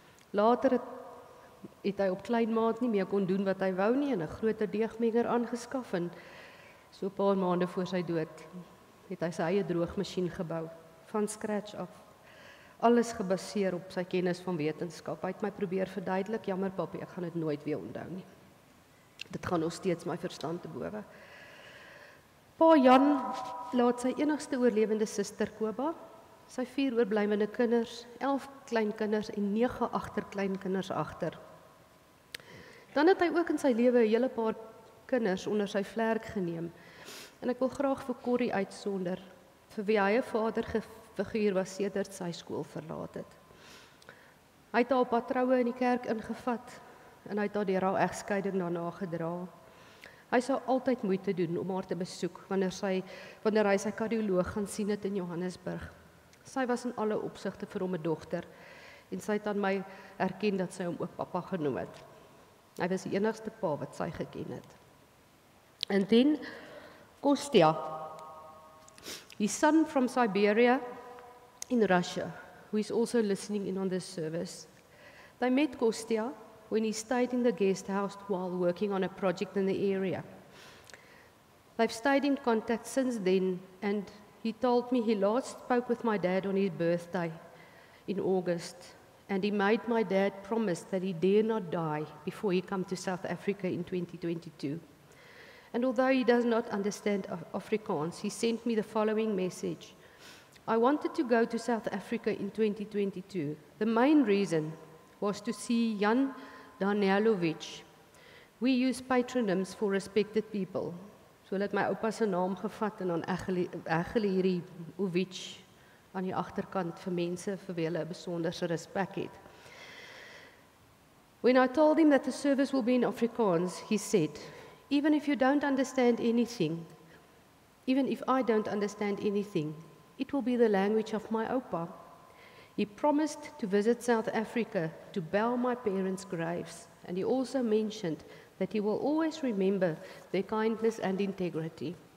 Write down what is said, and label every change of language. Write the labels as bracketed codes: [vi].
[af] Later het hy op kleinmaat nie meer kon doen wat hy wou nie en 'n groter deegmenger aangeskaf en so 'n paar maande voor sy dood het hy sy eie droogmasjien gebou van scratch af. Alles gebaseer op sy kennis van wetenskap. Hy het my probeer verduidelik, jammer papie, ek gaan dit nooit weer onthou nie. Dit gaan nog steeds my verstand te bowe. Pa Jan laat sy enigste oorlewende suster Koba, sy 4 oorblywende kinders, 11 kleinkinders en 9 agterkleinkinders agter. Dan het hy ook in sy lewe 'n hele paar kinders onder sy vlerk geneem. En ek wil graag vir Corrie uitsonder, vir wie hy 'n vader figuur was sedert sy skool verlaat het. Hy het haar op haar troue in die kerk ingevat en hy het haar deur haar egskeiding daarna gedra. Hy sou altyd moeite doen om haar te besoek wanneer hy sy kardioloog gaan sien het in Johannesburg. Sy was in alle opsigte vir hom 'n dogter en sy het aan my erken dat sy hom ook pappa genoem het. Hy was die enigste pa wat sy geken het. En dan [en] Kostia, his son from Siberia in Russia, who is also listening in on this service. They met Kostia when he stayed in the guest house while working on a project in the area. They've stayed in contact since then, and he told me he last spoke with my dad on his birthday in August, and he made my dad promise that he dare not die before he come to South Africa in 2022. And although he does not understand Afrikaans, he sent me the following message. I wanted to go to South Africa in 2022. The main reason was to see Jan Danielovic. We use patronyms for respected people. [af] So het my oupa se naam gevat en dan eggele hierdie Ovic aan die agterkant vir mense vir wie hulle 'n besonderse respek het. [en] When I told him that the service will be in Afrikaans, he said, even if you don't understand anything, even if I don't understand anything, it will be the language of my opa. He promised to visit South Africa to bow my parents' graves, and he also mentioned that he will always remember their kindness and integrity.